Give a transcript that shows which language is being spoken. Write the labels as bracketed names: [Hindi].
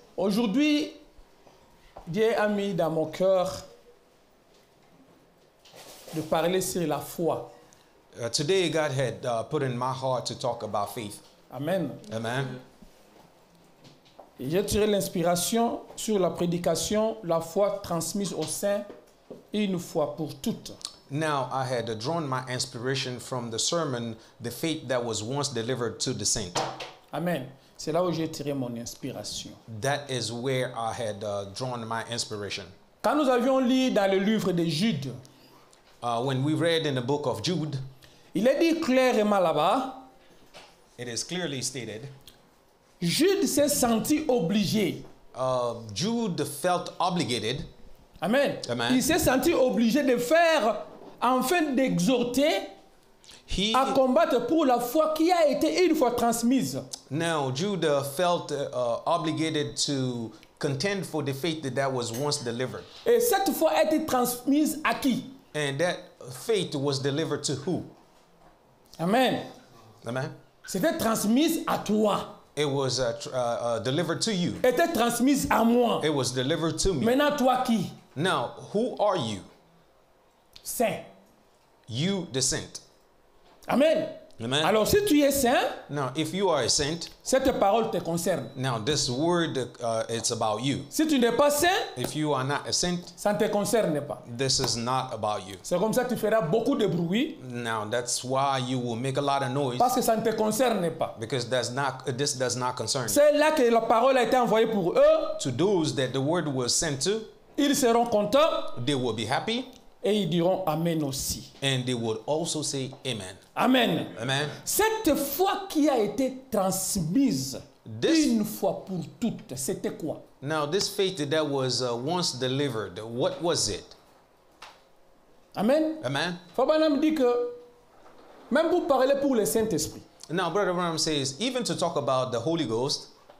[French] Aujourd'hui, Dieu a mis dans mon cœur de parler sur la foi. [English] Today God had put in my heart to talk about faith. [French] Amen. [English] Amen. [French] Et j'ai tiré l'inspiration sur la prédication la foi transmise aux saints une fois pour toutes. [English] Now I had drawn my inspiration from the sermon the faith that was once delivered to the saint. [French] Amen. C'est là où j'ai tiré mon inspiration. [English] That is where I had drawn my inspiration. [French] Quand nous avions lu dans le livre de Jude, [English] When we read in the book of Jude, [French] il est dit clairement là-bas, [English] it is clearly stated, [French] Jude s'est senti obligé. [English] Jude felt obligated. [French] Amen. [English] Amen. [French] Il s'est senti obligé de faire, enfin d'exhorter à combattre pour la foi qui a été une fois transmise. [English] Now, Jude felt obligated to contend for the faith that was once delivered. [French] Et cette foi a été transmise à qui? [English] And that faith was delivered to who? [French] Amen. [English] Amen. [French] C'était transmise à toi. [English] It was delivered to you. [French] Était transmise à moi. [English] It was delivered to me. [French] Maintenant, toi qui? [English] Now, who are you? [French] Saint. [English] You, the saint. [French] Amen. [English] Amen. [French] Alors, si tu es saint, [English] now, if you are a saint, [French] cette parole te concerne. [English] Now, this word, it's about you. [French] Si tu n'es pas saint, [English] if you are not a saint, [French] ça ne te concerne pas. [English] This is not about you. [French] C'est comme ça que tu feras beaucoup de bruit. [English] Now, that's why you will make a lot of noise. [French] Parce que ça ne te concerne pas. [English] Because this does not concern. [French] C'est là que la parole a été envoyée pour eux. [English] To those that the word was sent to, [French] ils seront contents. [English] They will be happy. [French] Et ils diront amen aussi. [English] And they would also say amen. [French] Amen. [English] Amen. [French] Cette foi qui a été transmise une fois pour toutes, c'était quoi? [English] Now this faith that was once delivered, what was it? [French] Amen. [English] Amen. [French] Fabanam dit que même pour parler pour le Saint-Esprit. [English] Now Brother Abraham says even to talk about the Holy Ghost,